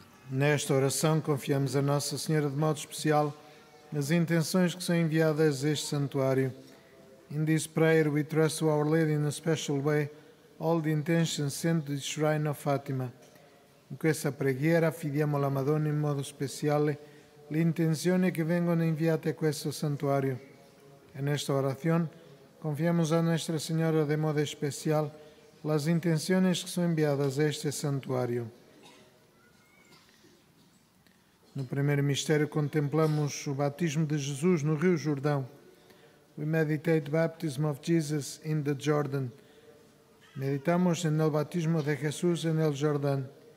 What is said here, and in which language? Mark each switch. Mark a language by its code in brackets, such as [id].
[pt] Nesta oração, confiamos a Nossa Senhora de modo especial as intenções que são enviadas a este santuário. [en] In this prayer, we trust to Our Lady in a special way all the intentions sent to the Shrine of Fatima. [it] In questa preghiera, affidiamo alla Madonna in modo speciale le intenzioni che vengono inviate a questo santuario. In questa orazione, [pt] confiamos a Nossa Senhora de modo especial as intenções que são enviadas a este santuário. No primeiro mistério contemplamos o batismo de Jesus no Rio Jordão. [en] We meditate baptism of Jesus in the Jordan. [es] Meditamos en el batismo de Jesús en el Jordán.